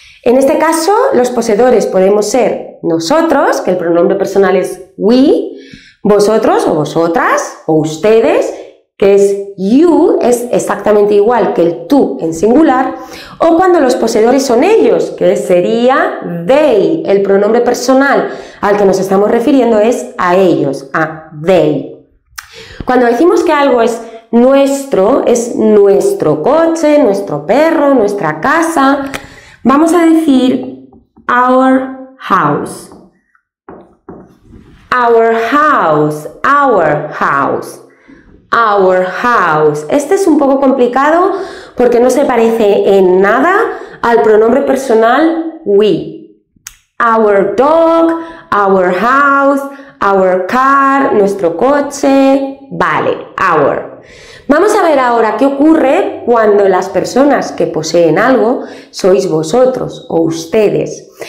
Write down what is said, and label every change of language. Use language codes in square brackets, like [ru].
[es] En este caso, los poseedores podemos ser nosotros, que el pronombre personal es we, vosotros o vosotras, o ustedes, que es you, es exactamente igual que el tú en singular, o cuando los poseedores son ellos, que sería they, el pronombre personal al que nos estamos refiriendo es a ellos, a they. Cuando decimos que algo es nuestro coche, nuestro perro, nuestra casa, vamos a decir [en] our house. Our house, our house, our house. [es] Este es un poco complicado porque no se parece en nada al pronombre personal we. [en] Our dog, our house, our car, [es] nuestro coche. Vale, our. Vamos a ver ahora qué ocurre cuando las personas que poseen algo sois vosotros o ustedes.